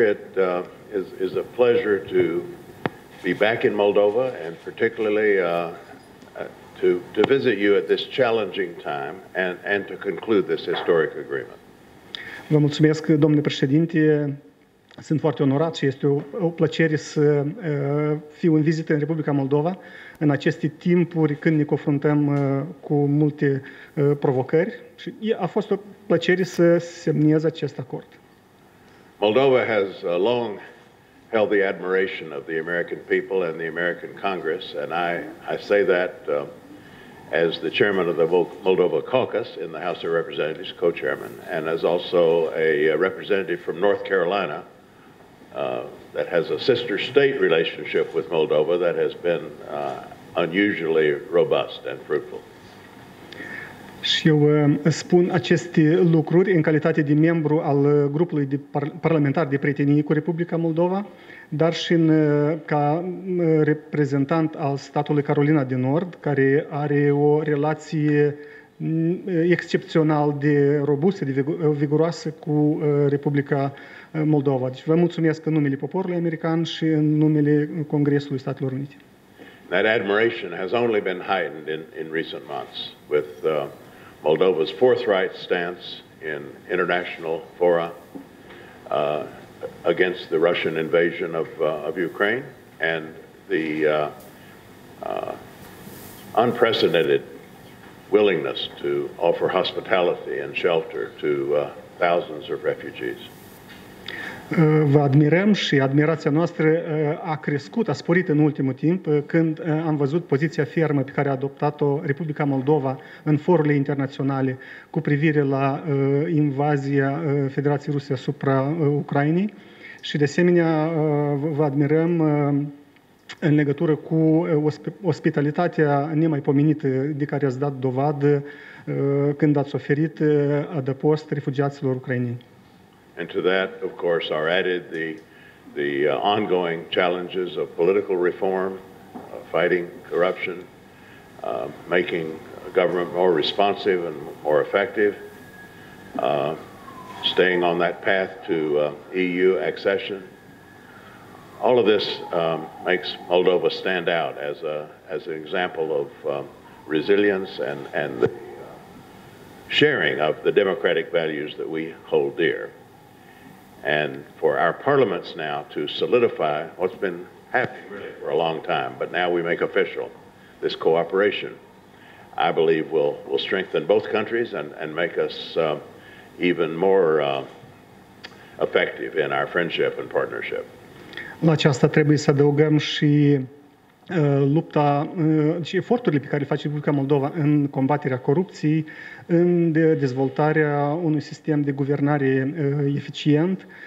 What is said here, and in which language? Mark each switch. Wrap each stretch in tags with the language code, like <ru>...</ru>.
<en>It is a pleasure to be back in Moldova and particularly to visit you at this challenging time and to conclude this historic agreement.</en> <ro>Vă mulțumesc, domnule președinte. Sunt foarte onorat și este o plăcere să fiu în vizită în Republica Moldova în aceste timpuri când ne confruntăm cu multe provocări. Și a fost o plăcere să semnez acest acord.</ro> <en>Moldova has long held the admiration of the American people and the American Congress, and I say that as the chairman of the Moldova Caucus in the House of Representatives, co-chairman, and as also a representative from North Carolina that has a sister state relationship with Moldova that has been unusually robust and fruitful.</en> <ro>Și eu spun aceste lucruri în calitate de membru al grupului de parlamentar de prietenie cu Republica Moldova, dar și în, ca reprezentant al statului Carolina de Nord, care are o relație excepțional de robustă, de vigoroasă cu Republica Moldova. Deci vă mulțumesc în numele poporului american și în numele Congresului Statelor Unite.</ro> <en>That admiration has only been heightened in recent months with Moldova's forthright stance in international fora against the Russian invasion of Ukraine and the unprecedented willingness to offer hospitality and shelter to thousands of refugees.</en> <ro>Vă admirăm și admirația noastră a crescut, a sporit în ultimul timp când am văzut poziția fermă pe care a adoptat-o Republica Moldova în forurile internaționale cu privire la invazia Federației Ruse asupra Ucrainei și de asemenea vă admirăm în legătură cu ospitalitatea nemaipomenită de care ați dat dovadă când ați oferit adăpost refugiaților ucrainei.</ro> <en>And to that, of course, are added the ongoing challenges of political reform, fighting corruption, making government more responsive and more effective, staying on that path to EU accession. All of this makes Moldova stand out as an example of resilience and the sharing of the democratic values that we hold dear. And for our parliaments now to solidify what's been happening really for a long time, but now we make official this cooperation, I believe will strengthen both countries and make us even more effective in our friendship and partnership.</en> <ro>La aceasta trebuie să adăugăm și lupta și eforturile pe care le face Republica Moldova în combaterea corupției, în dezvoltarea unui sistem de guvernare eficient.</ro>